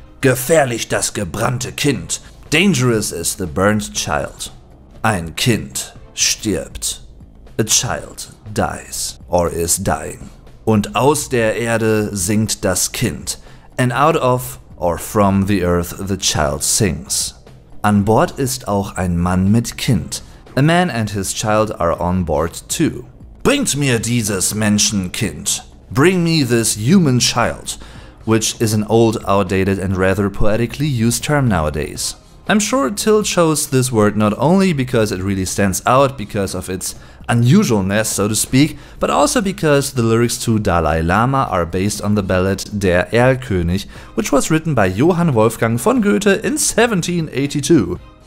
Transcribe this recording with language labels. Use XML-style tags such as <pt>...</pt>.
<de>Gefährlich das gebrannte Kind.</de> <en>Dangerous is the burnt child.</en> <de>Ein Kind stirbt.</de> <en>A child dies or is dying.</en> <de>Und aus der Erde singt das Kind.</de> <en>And out of or from the earth the child sings.</en> <de>An Bord ist auch ein Mann mit Kind.</de> <en>A man and his child are on board too.</en> <de>Bringt mir dieses Menschenkind.</de> <en>Bring me this human child. Which is an old, outdated and rather poetically used term nowadays. I'm sure Till chose this word not only because it really stands out because of its unusualness, so to speak, but also because the lyrics to Dalai Lama are based on the ballad Der Erlkönig, which was written by Johann Wolfgang von Goethe in 1782.</en>